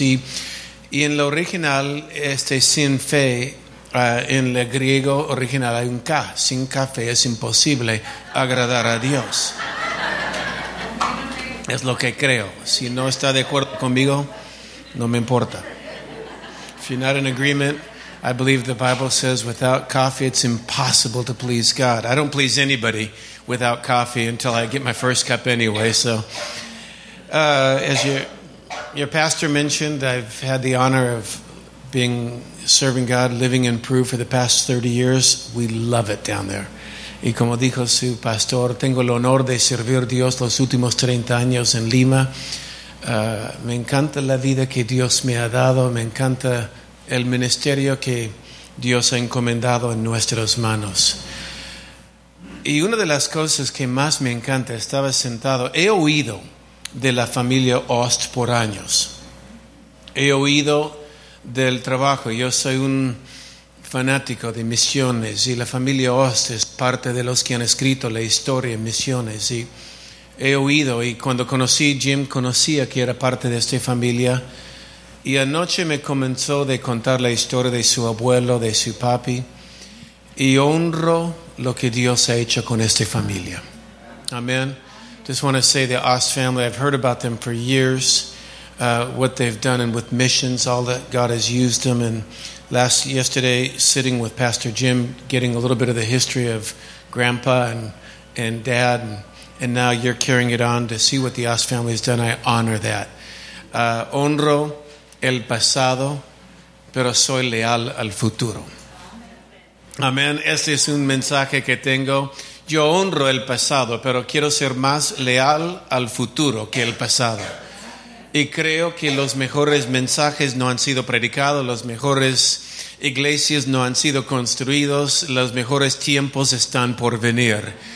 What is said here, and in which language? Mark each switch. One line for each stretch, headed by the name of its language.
Spanish: Y en la original, sin fe, en el griego original hay un K. Sin café es imposible agradar a Dios. Es lo que creo. Si no está de acuerdo conmigo, no me importa.
English: If you're not in agreement, I believe the Bible says without coffee it's impossible to please God. I don't please anybody without coffee until I get my first cup anyway. So, as your pastor mentioned, I've had the honor of being serving God, living in Peru for the past 30 years. We love it down there.
Spanish: Y como dijo su pastor, tengo el honor de servir a Dios los últimos 30 años en Lima. Me encanta la vida que Dios me ha dado. Me encanta el ministerio que Dios ha encomendado en nuestras manos. Y una de las cosas que más me encanta, estaba sentado, he oído de la familia Ost por años. He oído del trabajo. Yo soy un fanático de misiones y la familia Ost es parte de los que han escrito la historia de misiones. Y he oído, y cuando conocí a Jim, conocía que era parte de esta familia. Y anoche me comenzó de contar la historia de su abuelo, de su papi. Y honro lo que Dios ha hecho con esta familia. Amen.
English: Just want to say the Ost family, I've heard about them for years. What they've done and with missions, all that God has used them. And yesterday, sitting with Pastor Jim, getting a little bit of the history of Grandpa and Dad. And now you're carrying it on to see what the Ost family has done. I honor that.
Spanish: Honro el pasado, pero soy leal al futuro. Amén. Este es un mensaje que tengo. Yo honro el pasado, pero quiero ser más leal al futuro que el pasado. Y creo que los mejores mensajes no han sido predicados, las mejores iglesias no han sido construidos, los mejores tiempos están por venir.